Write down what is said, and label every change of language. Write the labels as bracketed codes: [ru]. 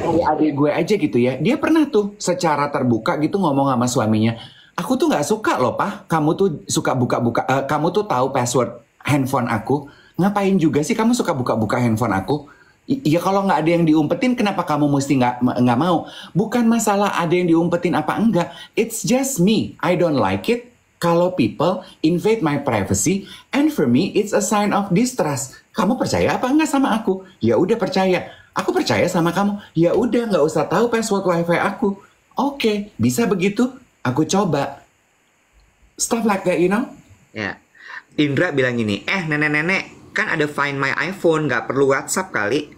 [id] Adik gue aja gitu ya, dia pernah tuh secara terbuka gitu ngomong sama suaminya, aku tuh nggak suka loh pak, kamu tuh suka buka-buka, kamu tuh tahu password handphone aku. Ngapain juga sih kamu suka buka-buka handphone aku? Ya kalau nggak ada yang diumpetin, kenapa kamu mesti nggak mau? Bukan masalah ada yang diumpetin apa enggak. [en] It's just me. I don't like it [id] kalau [en] people invade my privacy. And for me, it's a sign of distrust. [id] Kamu percaya apa enggak sama aku? Ya udah percaya. Aku percaya sama kamu. Ya udah, nggak usah tahu password wifi aku. Oke, bisa begitu? Aku coba. [en] Stuff like that, you know? [id] Ya. Indra bilang gini, nenek-nenek. Kan ada Find My iPhone, nggak perlu WhatsApp kali.